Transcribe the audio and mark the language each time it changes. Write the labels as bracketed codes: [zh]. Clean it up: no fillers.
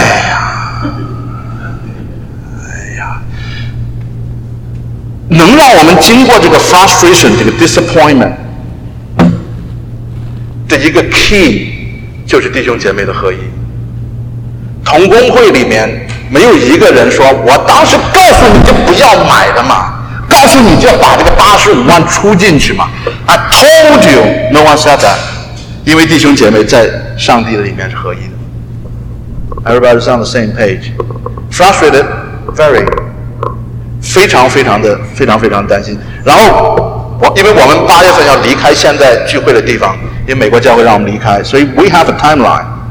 [zh] 哎呀，能让我们经过这个 frustration， 这个 disappointment 的一个 key， 就是弟兄姐妹的合一。同工会里面没有一个人说，我当时告诉你就不要买的嘛，告诉你就要把这个85万出进去嘛。 [en] I told you, no one said that。 [zh] 因为弟兄姐妹在上帝的里面是合一的。 [en] Everybody's on the same page。 Frustrated, very， [zh] 非常非常的非常非常担心。然后因为我们八月份要离开现在聚会的地方，因为美国教会让我们离开，所以 [en] we have a timeline。